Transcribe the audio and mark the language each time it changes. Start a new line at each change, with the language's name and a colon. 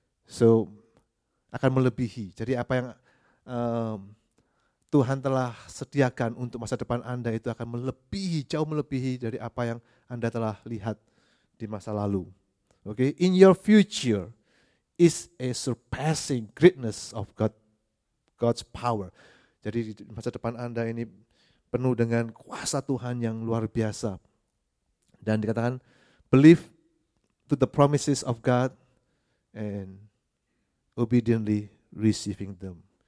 Indonesian: So, akan melebihi. Jadi apa yang Tuhan telah sediakan untuk masa depan Anda itu akan melebihi, jauh melebihi dari apa yang Anda telah lihat di masa lalu. Okay?
English: In your future is a surpassing greatness of God's power.
Indonesian: Jadi masa depan Anda ini penuh dengan kuasa Tuhan yang luar biasa. Dan dikatakan,
English: believe to the promises of God and obediently receiving them.